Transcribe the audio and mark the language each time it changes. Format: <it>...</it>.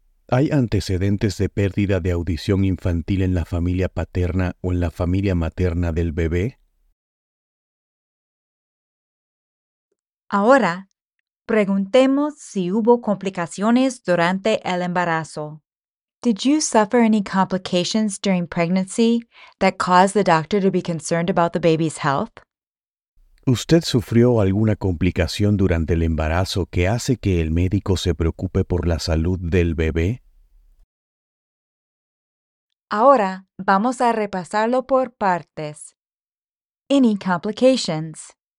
<es>¿Hay antecedentes de pérdida de audición infantil en la familia paterna o en la familia materna del bebé? Ahora, preguntemos si hubo complicaciones durante el embarazo.</es> <en>Did you suffer any complications during pregnancy that caused the doctor to be concerned about the baby's health?</en> <es>¿Usted sufrió alguna complicación durante el embarazo que hace que el médico se preocupe por la salud del bebé? Ahora, vamos a repasarlo por partes.</es> <en>Any complications?</en>